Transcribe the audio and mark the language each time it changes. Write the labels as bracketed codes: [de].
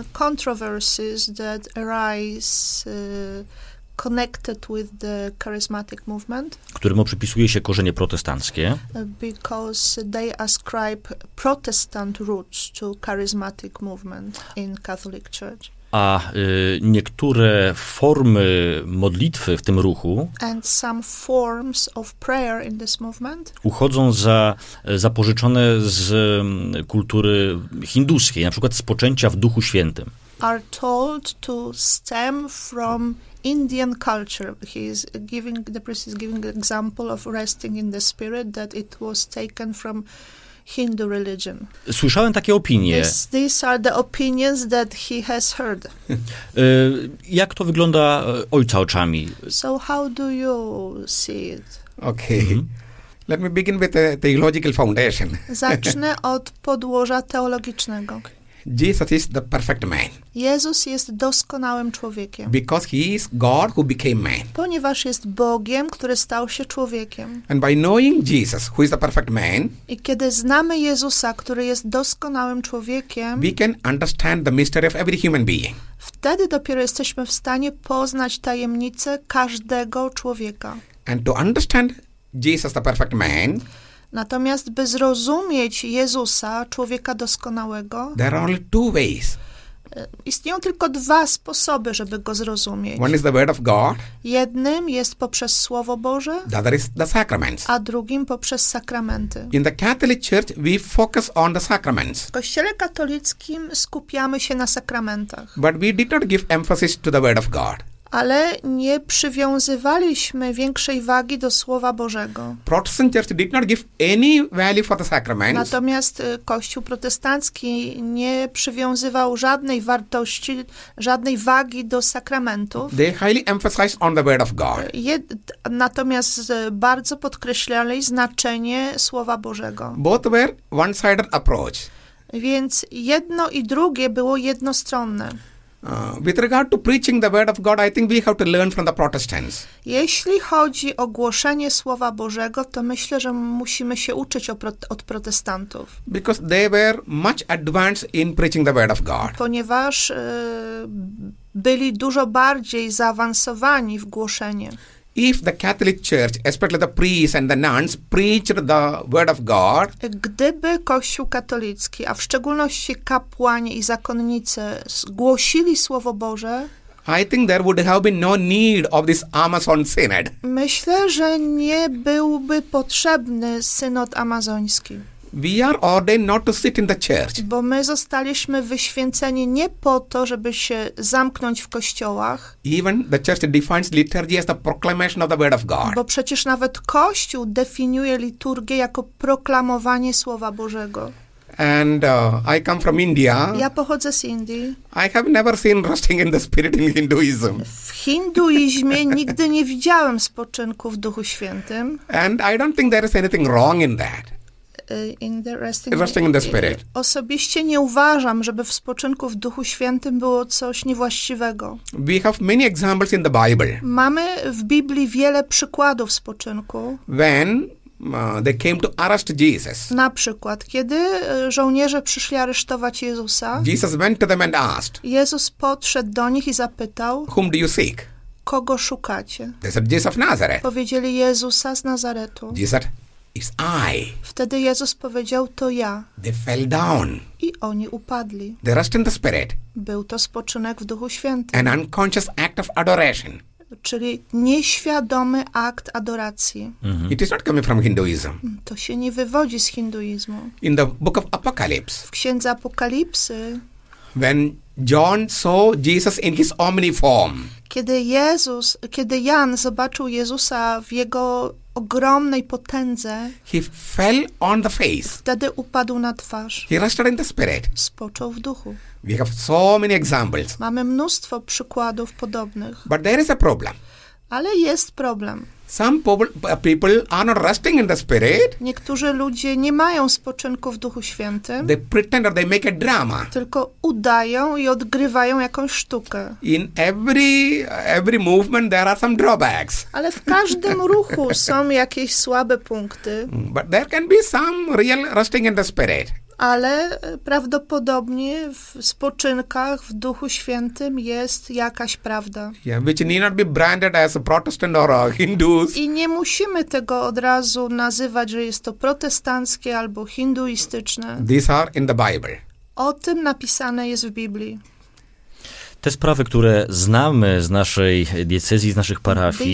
[en] Controversies that arise connected with the charismatic movement. [pl] Któremu przypisuje się korzenie protestanckie. [en] Because they ascribe Protestant roots to charismatic movement in Catholic Church. [pl] A niektóre formy modlitwy w tym ruchu [en] and some forms of prayer in this movement [pl] uchodzą za zapożyczone z kultury hinduskiej, na przykład spoczęcia w Duchu Świętym. [en] Are told to stem from Indian culture. The priest is giving an example of resting in the spirit, that it was taken from Hindu religion. [pl] Słyszałem takie opinie. [en] These are the opinions that he has heard. [pl] Jak to wygląda ojca oczami? [en] So how do you see it? Okay. Mm-hmm. Let me begin with the theological foundation. [pl] Zacznę od podłoża teologicznego. [en] Jesus is the perfect man. [pl] Jezus jest doskonałym człowiekiem. [en] Because he is God who became man. [pl] Ponieważ jest Bogiem, który stał się człowiekiem. [en] And by knowing Jesus, who is the perfect man, [pl] i kiedy znamy Jezusa, który jest doskonałym człowiekiem, [en] we can understand the mystery of every human being. [pl] Wtedy dopiero jesteśmy w stanie poznać tajemnicę każdego człowieka. [en] And to understand Jesus, the perfect man, [pl] natomiast by zrozumieć Jezusa, człowieka doskonałego, [en] there are only two ways. [pl] Istnieją tylko dwa sposoby, żeby go zrozumieć. [en] One is the word of God. [pl] Jednym jest poprzez Słowo Boże, [en] the other is the sacraments. [pl] A drugim poprzez sakramenty. [en] In the Catholic Church we focus on the sacraments. [pl] W Kościele katolickim skupiamy się na sakramentach. [en] But we did not give emphasis to the word of God. [pl] Ale nie przywiązywaliśmy większej wagi do Słowa Bożego. [en] Protestant Church did not give any value for the sacraments. [pl] Natomiast Kościół protestancki nie przywiązywał żadnej wartości, żadnej wagi do sakramentów. [en] They highly emphasized on the word of God. [pl] Natomiast bardzo podkreślali znaczenie Słowa Bożego. [en] Both were one-sided approach. [pl] Więc jedno i drugie było jednostronne. [en] With regard to preaching the word of God, I think we have to learn from the Protestants. [pl] Jeśli chodzi o głoszenie Słowa Bożego, to myślę, że musimy się uczyć od protestantów. [en] Because they were much advanced in preaching the word of God. [pl] Ponieważ byli dużo bardziej zaawansowani w głoszeniu. [en] If the Catholic Church, especially the priests and the nuns, preached the word of God, [pl] gdyby Kościół katolicki, a w szczególności kapłani i zakonnicy, głosili Słowo Boże, [en] I think there would have been no need of this Amazon Synod. [pl] Myślę, że nie byłby potrzebny synod amazoński. [en] We are ordained not to sit in the church. [pl] Bo my zostaliśmy wyświęceni nie po to, żeby się zamknąć w kościołach. [en] Even the church defines liturgy as the proclamation of the word of God. [pl] Bo przecież nawet kościół definiuje liturgię jako proklamowanie Słowa Bożego. [en] And I come from India. [pl] Ja pochodzę z Indii. [en] I have never seen resting in the spirit in Hinduism. [pl] W hinduizmie nigdy nie widziałem spoczynku w Duchu Świętym. [en] And I don't think there is anything wrong in that. In the resting in the spirit. [pl] Osobiście nie uważam, żeby w spoczynku w Duchu Świętym było coś niewłaściwego. [en] We have many examples in the Bible. [pl] Mamy w Biblii wiele przykładów spoczynku. [en] When they came to arrest Jesus. [pl] Na przykład, kiedy żołnierze przyszli aresztować Jezusa, [en] Jesus went to them and asked, [pl] Jezus podszedł do nich i zapytał, [en] whom do you seek? [pl] Kogo szukacie? [en] They said, Jesus of Nazareth. [pl] Powiedzieli, Jezusa z Nazaretu. [en] Jesus. It's I. [pl] Wtedy Jezus powiedział, to ja. [en] They fell down. [pl] I oni upadli. [en] They rest in the spirit. [pl] Był to spoczynek w Duchu Świętym. [en] An unconscious act of adoration. [pl] czyli nieświadomy akt adoracji. [en] Mm-hmm. It is not coming from Hinduism. [pl] To się nie wywodzi z hinduizmu. [en] In the book of Apocalypse. [pl] W księdze Apokalipsy. [en] When John saw Jesus in his omni form. [pl] Kiedy Jan zobaczył Jezusa w jego ogromnej potędze. [en] He fell on the face. [pl] Wtedy upadł na twarz. [en] He rested in the spirit. [pl] Spoczął w duchu. [en] We have so many examples. [pl] Mamy mnóstwo przykładów podobnych. [en] But there is a problem. [pl] Ale jest problem. [en] Some people are not resting in the spirit. [pl] Niektórzy ludzie nie mają spoczynku w Duchu Świętym. [en] They pretend or they make a drama. [pl] Tylko udają i odgrywają jakąś sztukę. [en] In every movement there are some drawbacks. [pl] Ale w każdym ruchu są jakieś słabe punkty. [en] But there can be some real resting in the spirit. [pl] Ale prawdopodobnie w spoczynkach w Duchu Świętym jest jakaś prawda. [en] Yeah, which need not be branded as a Protestant or a Hindus. [pl] I nie musimy tego od razu nazywać, że jest to protestanckie albo hinduistyczne. [en] These are in the Bible. [pl] O tym napisane jest w Biblii. Te sprawy, które znamy z naszej diecezji, z naszych parafii.